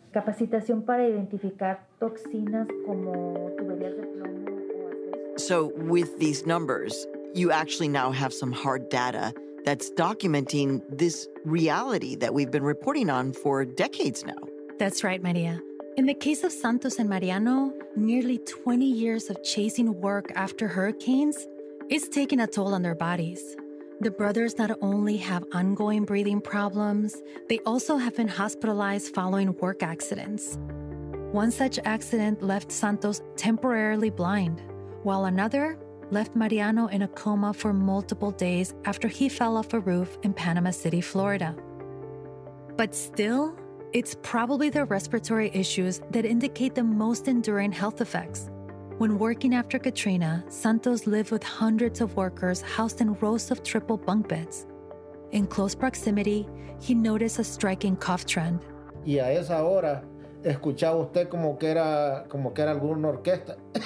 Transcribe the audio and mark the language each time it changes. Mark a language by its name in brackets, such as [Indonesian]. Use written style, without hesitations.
[Spanish] Capacitación para identificar toxinas como tuberías de plomo. [English] So with these numbers, you actually now have some hard data that's documenting this reality that we've been reporting on for decades now. That's right, Maria. In the case of Santos and Mariano, nearly 20 years of chasing work after hurricanes is taking a toll on their bodies. The brothers not only have ongoing breathing problems, they also have been hospitalized following work accidents. One such accident left Santos temporarily blind, while another left Mariano in a coma for multiple days after he fell off a roof in Panama City, Florida. But still, it's probably the respiratory issues that indicate the most enduring health effects. When working after Katrina, Santos lived with hundreds of workers housed in rows of triple bunk beds. In close proximity, he noticed a striking cough trend. [Spanish] Y a esa hora, escuchaba usted como que era alguna orquesta.